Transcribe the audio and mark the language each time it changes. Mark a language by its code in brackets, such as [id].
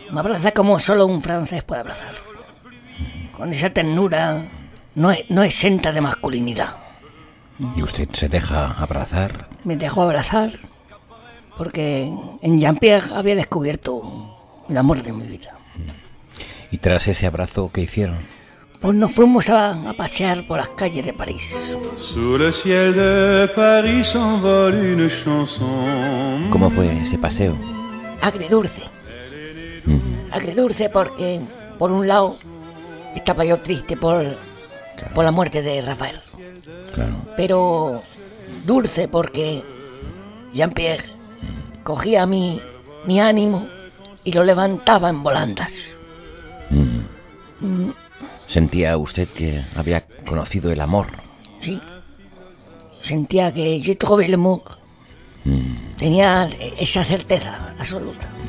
[es] Me abraza como solo un francés puede abrazar. Con esa ternura no exenta de masculinidad. ¿Y usted se deja abrazar? Me dejó abrazar porque en Jean-Pierre había descubierto el amor de mi vida. ¿Y tras ese abrazo qué hicieron? Pues nos fuimos a pasear por las calles de París. [fr] Sous le ciel de Paris s'envole une chanson. [es] ¿Cómo fue ese paseo? Agridulce. Agridulce porque, por un lado, estaba yo triste por la muerte de Rafael. Claro. Pero dulce porque Jean-Pierre cogía mi ánimo y lo levantaba en volandas. ¿Sentía usted que había conocido el amor? Sí. Sentía que [fr] j'ai trouvé l'amour. [es] Tenía esa certeza absoluta.